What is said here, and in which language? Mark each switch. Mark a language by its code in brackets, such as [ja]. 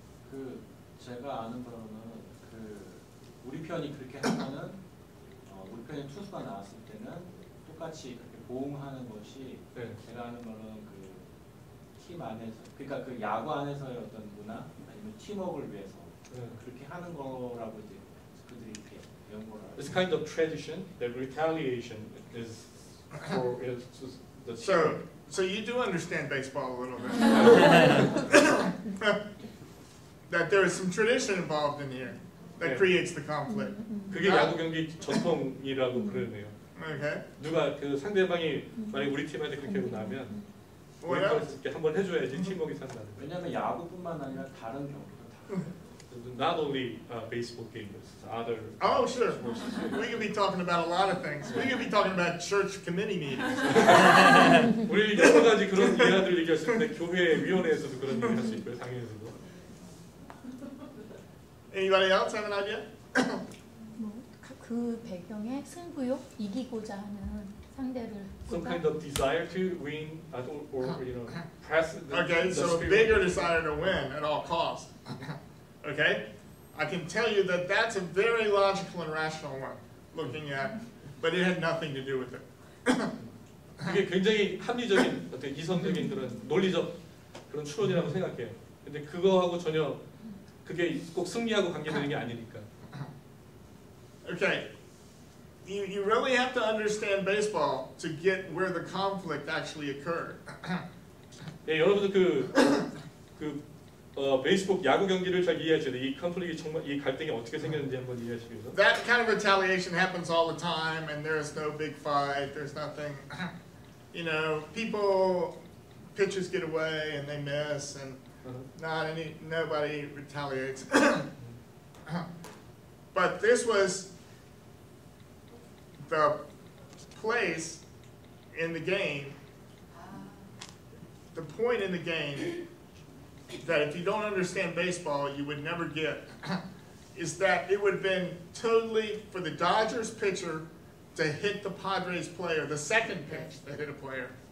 [ko] 그 제가 아는 바로는 그 우리 편이 그렇게 하면은 우리 편의 투수가 나왔을 때는 똑같이 그렇게 보응하는 것이 네. 제가 아는 거는 그 팀 안에서 그러니까 그 야구 안에서의 어떤 문화 아니면 팀워크를 위해서 네. 그렇게 하는 거라고 이제 그들이 이렇게 배운 거라. [en] It's kind of tradition that retaliation is for is the team. So you do understand baseball a little bit. That there is some tradition involved in here that 네. creates the conflict. [ko] 그게 야구 경기 전통이라고 그러네요. [en] Okay. [ko] 누가 그 상대방이 만약 우리 팀한테 그렇게 하고 나면 우리가 한번 해줘야지 팀워크 산다는. 왜냐하면 야구뿐만 아니라 다른 경기도 다. [en] Not only baseball games, other. Oh sure. Sports. We could be talking about a lot of things. We could be talking about church committee meetings. [ko] 우리 여러 가지 그런 이야기들 얘기했었는데 교회 위원회에서도 그런 얘기할 수 있고요. 당연히도. [en] Anybody else have an idea? [ko] 뭐, 그 배경에 승부욕 이기고자 하는 상대를 [en] Some kind of desire to win at all, or you know, press the Okay, the so a bigger desire to win at all costs. Okay? I can tell you that that's a very logical and rational one looking at, but it had nothing to do with it. [ko] 이게 굉장히 합리적인 어떤 이성적인 그런 논리적 그런 추론이라고 생각해요. 근데 그거하고 전혀 그게 꼭 승리하고 관계되는 게 아니니까. [en] Okay. You really have to understand baseball to get where the conflict actually occurred. [ko] 예, 여러분들 그 베이스볼 야구 경기를 잘 이해하셔야 돼요. 이 컨플릭이 정말 이 갈등이 어떻게 생겼는지 한번 이해하시기 위해서. [en] That kind of retaliation happens all the time and there's no big fight. There's nothing. You know, people pitchers get away and they miss and nobody retaliates. But this was the place in the game, the point in the game that if you don't understand baseball, you would never get, is that it would have been totally for the Dodgers pitcher to hit the Padres player, the second pitch that hit a player.